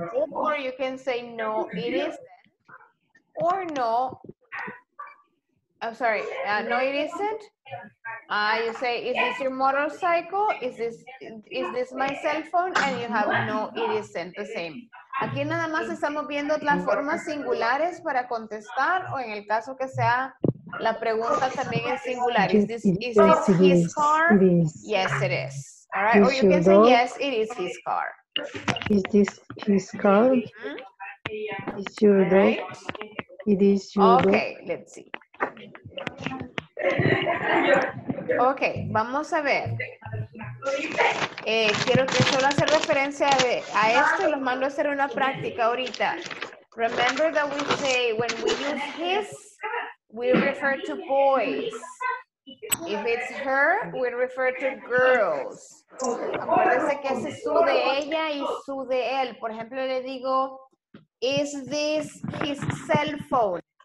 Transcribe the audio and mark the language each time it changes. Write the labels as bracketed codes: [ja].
[en] Or you can say no, it isn't. Or no. I'm sorry, no it isn't. You say, is this your motorcycle? Is this my cell phone? And you have no, it isn't, the same. [es] Aquí nada más estamos viendo las formas singulares para contestar o en el caso que sea la pregunta también es singular. [en] Is this his car? Yes, it is. All right, or you can say, yes, it is his car. Is this his car? Mm-hmm. It's your dog. Right. It is your okay, dog. Okay, let's see. [es] Okay, vamos a ver. Quiero que solo hacer referencia a esto, los mando a hacer una práctica ahorita. [en] Remember that we say when we use his, we refer to boys. If it's her, we refer to girls. [es] Acuérdense que es su de ella y su de él. Por ejemplo, le digo, [en] is this his cell phone?